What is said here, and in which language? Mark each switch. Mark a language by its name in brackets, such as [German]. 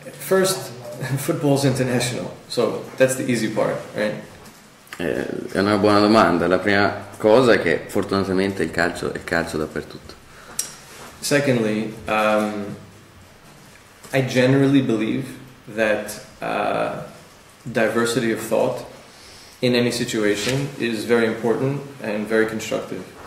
[English] First, football's international, so that's the easy part, right? [Italian] È una buona domanda. La prima cosa è che fortunatamente il calcio dappertutto. [English] Secondly, I generally believe that diversity of thought in any situation is very important and very constructive.